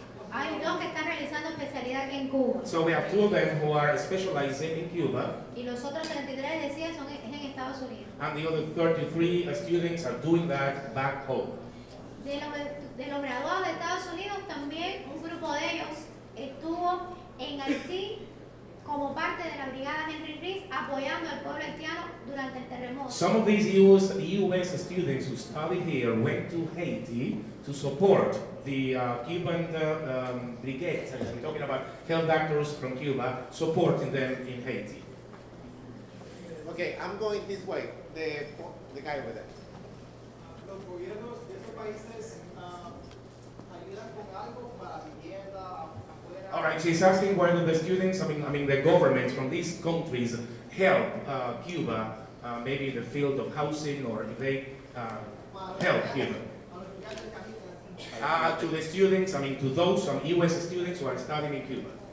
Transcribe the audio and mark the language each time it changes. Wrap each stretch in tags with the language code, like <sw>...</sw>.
<es>Hay dos que están realizando especialidad en Cuba.</es> <en>So we have two of them who are specializing in Cuba.</en> <es>Y los otros 33 decía son en Estados Unidos.</es> <en>And the other 33 students are doing that back home.</en> <es>De los graduados de Estados Unidos también un grupo de ellos estuvo en Haití como parte de la brigada Henry Riggs apoyando al pueblo haitiano durante el terremoto.</es> <en>Some of these U.S. students who studied here went to Haiti to support the Cuban brigade, as we're talking about, health doctors from Cuba, supporting them in Haiti. Okay, I'm going this way, the guy over there.</en> <es>Los gobiernos de estos países ayudan con algo para vivienda, afuera.</es> <en>All right, she's asking why do the students, I mean the governments from these countries help Cuba, maybe in the field of housing, or if they help Cuba. To the students, I mean to those, some U.S. students who are studying in Cuba.</en>